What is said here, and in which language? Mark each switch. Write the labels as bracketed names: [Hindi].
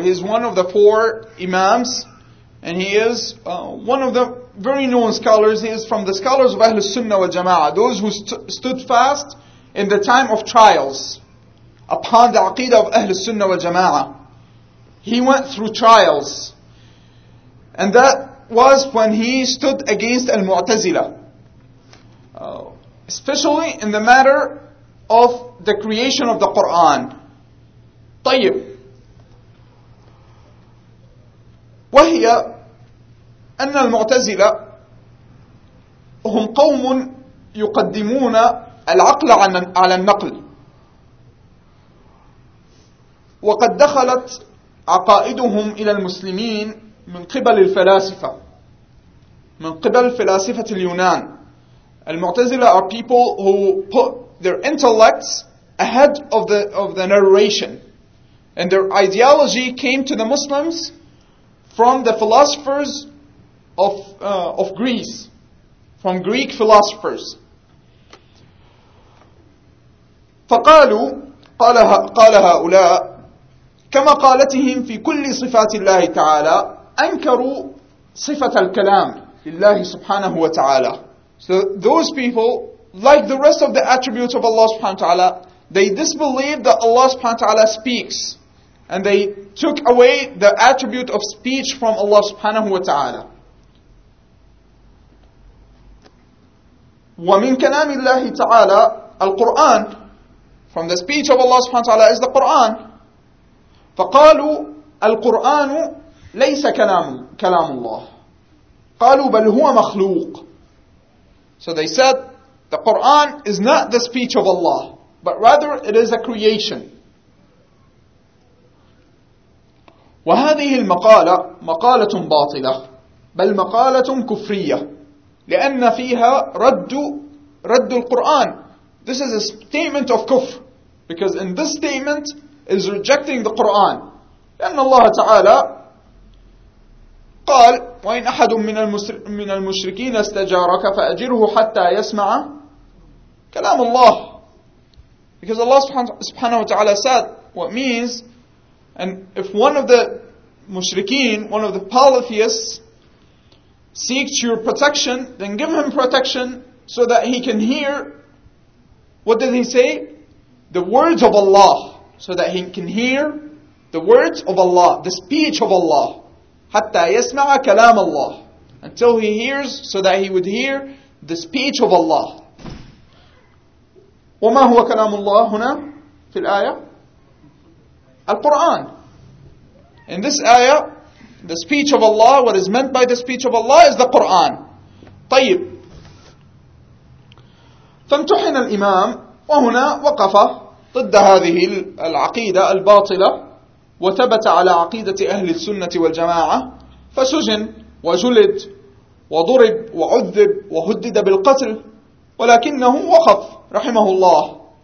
[English] He is one of the four imams, and he is one of the very known scholars. He is from the scholars of Ahlus Sunnah wa Jama'ah, those who stood fast in the time of trials upon the aqidah of Ahlus Sunnah wa Jama'ah. He went through trials, and that was when he stood against Al-Mu'tazila. especially in the matter of the creation of the Quran. [Arabic] طيب وهي أن المعتزلة هم قوم يقدمون العقل على النقل، وقد دخلت عقائدهم إلى المسلمين من قبل الفلاسفة، من قبل فلاسفة اليونان. [English] المعتزلة are people who put their intellects ahead of the narration, and their ideology came to the Muslims from the philosophers of Greece, from Greek philosophers. [Arabic] فقالوا قال هؤلاء كما قالتهم في كل صفات الله تعالى أنكروا صفة الكلام لله سبحانه وتعالى. [English] So those people, like the rest of the attributes of Allah subhanahu wa ta'ala, they disbelieved that Allah subhanahu wa ta'ala speaks. And they took away the attribute of speech from Allah subhanahu wa ta'ala. [Arabic] وَمِن كَلَامِ اللَّهِ تَعَالَى الْقُرْآنِ. [English] From the speech of Allah subhanahu wa ta'ala is the Qur'an. [Arabic] فَقَالُوا الْقُرْآنُ لَيْسَ كَلَامُ اللَّهِ قَالُوا بَلْ هُوَ مَخْلُوقٌ. [English] So they said, the Qur'an is not the speech of Allah, but rather it is a creation. [Arabic] وَهَذِهِ الْمَقَالَةُ مَقَالَةٌ بَاطِلَةٌ بَلْ مَقَالَةٌ كُفْرِيَّةٌ لِأَنَّ فِيهَا رَدُّ الْقُرْآنِ. [English] This is a statement of kufr, because in this statement is rejecting the Qur'an. [Arabic] لَأَنَّ اللَّهَ تَعَالَى قال وإن أحد من المشركين استجارك فأجره حتى يسمع كلام الله. [English] Because Allah subhanahu wa ta'ala said what means, and if one of the mushrikeen, one of the polytheists, seeks your protection, then give him protection so that he can hear, what did he say? The words of Allah. So that he can hear the words of Allah, the speech of Allah. [Arabic] حتى يسمع كلام الله. [English] Until he hears, so that he would hear the speech of Allah. [Arabic] وما هو كلام الله هنا في الآية؟ القرآن. [English] In this ayah, the speech of Allah, what is meant by the speech of Allah is the Quran. [Arabic] طيب. فامتحن الإمام وهنا وقف ضد هذه العقيدة الباطلة. وثبت على عقيدة أهل السنة والجماعة فسجن وجلد وضرب وعذب وهدد بالقتل ولكنه وقف رحمه الله.